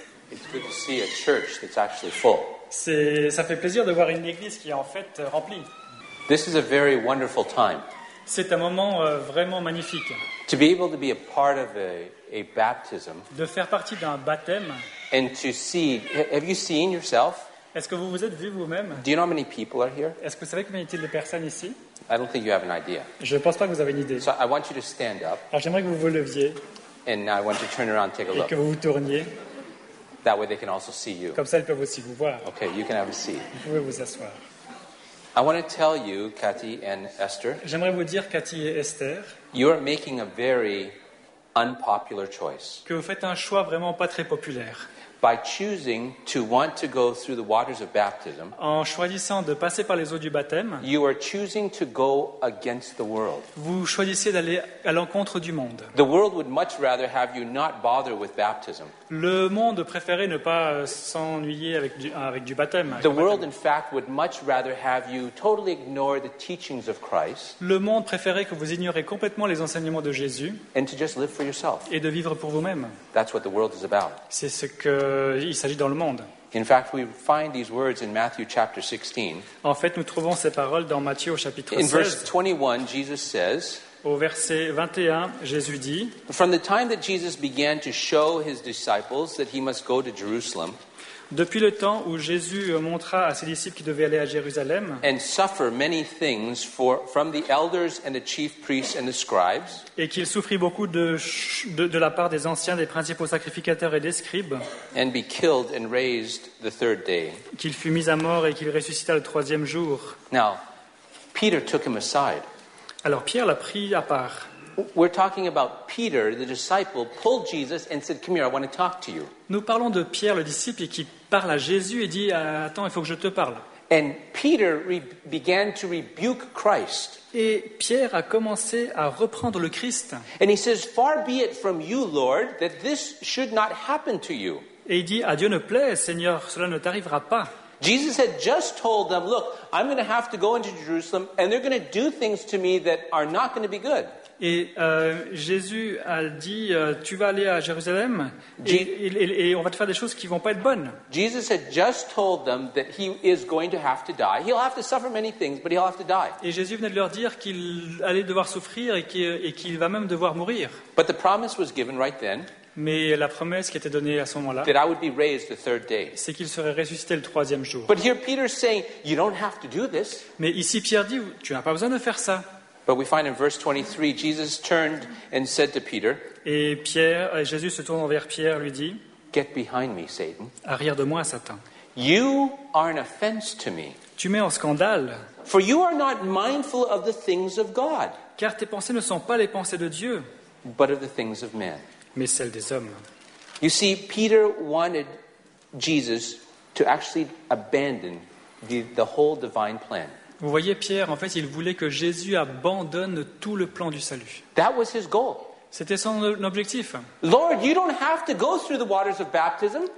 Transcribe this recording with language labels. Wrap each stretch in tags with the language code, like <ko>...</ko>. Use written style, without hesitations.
<en>It's good to see a church that's actually full.</en> <fr>Ça fait plaisir de voir une église qui est en fait remplie.</fr> <en>This is a very wonderful time.</en> <fr>C'est un moment vraiment magnifique.</fr> <en>To be able to be a part of a baptism.</en> <fr>De faire partie d'un baptême.</fr> <en>And to see, have you seen yourself?</en> <fr>Est-ce que vous vous êtes vu vous-même?</fr> <en>Do you know how many people are here?</en> <fr>Est-ce que vous savez combien y a-t-il de personnes ici?</fr> <en>I don't think you have an idea.</en> <fr>Je ne pense pas que vous avez une idée.</fr> <en>So I want you to stand up.</en> <fr>Alors j'aimerais que vous vous leviez.</fr> <en>And now I want to turn around, take a</en> <fr>et</fr> <en>look.</en> <fr>Que vous vous tourniez.</fr> <en>That way they can also see you.</en> <fr>Comme ça, ils peuvent aussi vous voir.</fr> <en>Okay, you can have a seat.</en> <fr>Vous pouvez vous asseoir.</fr> <en>I want to tell you, Cathy and Esther.</en> <fr>J'aimerais vous dire, Cathy et Esther.</fr> <en>You are making a very unpopular choice.</en> <fr>Que vous faites un choix vraiment pas très populaire.</fr> <en>By choosing to want to go through the waters of baptism,</en> <fr>en choisissant de passer par les eaux du baptême,</fr> <en>you are choosing to go against the world.</en> <fr>Vous choisissez d'aller à l'encontre du monde.</fr> <en>The world would much rather have you not bother with baptism.</en> <fr>Le monde préférait ne pas s'ennuyer avec du baptême.</fr> <en>The world, in fact, would much rather have you totally ignore the teachings of Christ.</en> <fr>Le monde préférait que vous ignoriez complètement les enseignements de Jésus.</fr> <en>And to just live for yourself.</en> <fr>Et de vivre pour vous-même.</fr> <en>That's what the world is about.</en> <fr>C'est ce que il s'agit dans le monde.</fr> <en>In fact, we find these words in Matthew chapter 16.</en> <fr>En fait, nous trouvons ces paroles dans Matthieu au chapitre 16.</fr> <en>In verse 21, Jesus says,</en> <fr>au verset 21, Jésus dit,</fr> <en>from the time that Jesus began to show his disciples that he must go to Jerusalem,</en> <fr>depuis le temps où Jésus montra à ses disciples qu'il devait aller à Jérusalem,</fr> <en>and suffer many things from the elders and the chief priests and the scribes,</en> <fr>et qu'il souffrit beaucoup de la part des anciens, des principaux sacrificateurs et des scribes,</fr> <en>and be killed and raised the third day,</en> <fr>qu'il fut mis à mort et qu'il ressuscita le troisième jour.</fr> <en>Now, Peter took him aside.</en> <fr>Alors Pierre l'a pris à part.</fr> <en>We're talking about Peter, the disciple, pulled Jesus and said, "Come here, I want to talk to you."</en> <fr>Nous parlons de Pierre, le disciple, qui parle à Jésus et dit, "Attends, il faut que je te parle."</fr> <en>And Peter began to rebuke Christ.</en> <fr>Et Pierre a commencé à reprendre le Christ.</fr> <en>And he says, "Far be it from you, Lord, that this should not happen to you."</en> <fr>Et il dit, "À Dieu ne plaise, Seigneur, cela ne t'arrivera pas."</fr> <en>Jesus had just told them, "Look, I'm going to have to go into Jerusalem, and they're going to do things to me that are not going to be good."</en> <fr>Et Jésus a dit, tu vas aller à Jérusalem et on va te faire des choses qui ne vont pas être bonnes.</fr> <en>Jesus had just told them that he is going to have to die. He'll have to suffer many things, but he'll have to die.</en> <fr>Et Jésus venait de leur dire qu'il allait devoir souffrir et qu'il va même devoir mourir.</fr> <en>But the promise was given right then.</en> <fr>Mais la promesse qui était donnée à ce moment-là,</fr> <en>that I would be raised the third day.</en> <fr>C'est qu'il serait ressuscité le troisième jour.</fr> <en>But here Peter's saying, you don't have to do this.</en> <fr>Mais ici Pierre dit, tu n'as pas besoin de faire ça.</fr> <en>But we find in verse 23, Jesus turned and said to Peter,</en> <fr>et Pierre, Jésus se tourne vers Pierre, lui dit,</fr> <en>get behind me, Satan.</en> <fr>Arrière de moi, Satan.</fr> <en>You are an offense to me.</en> <fr>Tu mets en scandale.</fr> <en>For you are not mindful of the things of God.</en> <fr>Car tes pensées ne sont pas les pensées de Dieu.</fr> <en>But of the things of men.</en> <fr>Mais celles des hommes.</fr> <en>You see, Peter wanted Jesus to actually abandon the whole divine plan.</en> <fr>Vous voyez, Pierre, en fait, il voulait que Jésus abandonne tout le plan du salut.</fr> <en>That was his goal.</en> <fr>C'était son objectif.</fr> <en>Lord, you don't have to go through the waters of baptism.</en>